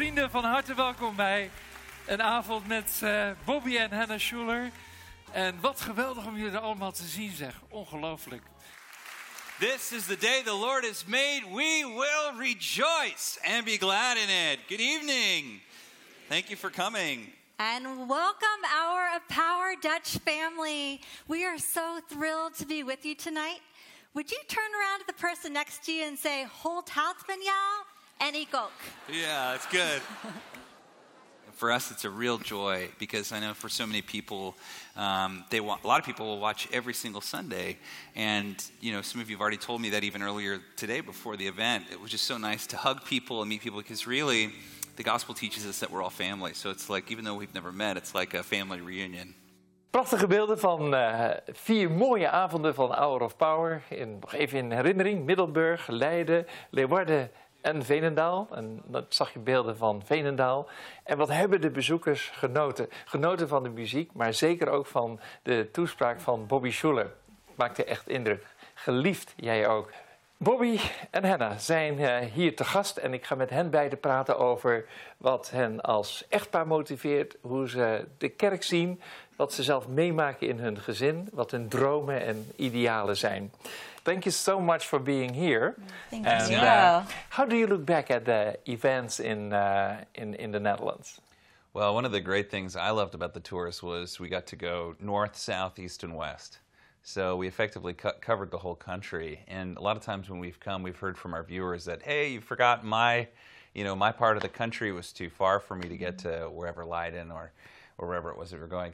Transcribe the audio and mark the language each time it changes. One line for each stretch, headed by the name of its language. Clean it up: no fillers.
Dutch: van harte welkom bij een avond met Bobby en Hannah Schuller. En wat geweldig om jullie allemaal te zien, zeg. Ongelooflijk.
English: This is the day the Lord has made. We will rejoice and be glad in it. Good evening. Thank you for coming. And welcome our Power Dutch family. We are so thrilled to be with you tonight. Would you turn around to the person next to you and say, Holt Houthman, y'all, and eat gok. Yeah, that's good. For us, it's a real joy because I know for so many people, a lot of people will watch every single Sunday. And, you know, some of you have already told me that even earlier today before the event. It was just so nice to hug people and meet people because really, the gospel teaches us that we're all family. So it's like, even though we've never met, it's like a family reunion.
Dutch: Prachtige beelden van vier mooie avonden van Hour of Power. Nog even in herinnering, Middelburg, Leiden, Leeuwarden en Veenendaal. En dat zag je beelden van Veenendaal. En wat hebben de bezoekers genoten? Genoten van de muziek, maar zeker ook van de toespraak van Bobby Schuller. Maakte echt indruk. Geliefd, jij ook. Bobby en Hannah zijn hier te gast en ik ga met hen beiden praten over wat hen als echtpaar motiveert, hoe ze de kerk zien, wat ze zelf meemaken in hun gezin, wat hun dromen en idealen zijn.
English: Thank you so much for being here. Thank you. And, how do you look back at the events in the Netherlands? Well, one of the great things I loved about the tours was we got to go north, south, east and west. So we effectively covered the whole country. And a lot of times when we've come, we've heard from our viewers that, hey, you forgot my part of the country was too far for me to get to wherever Leiden or wherever it was that we were going.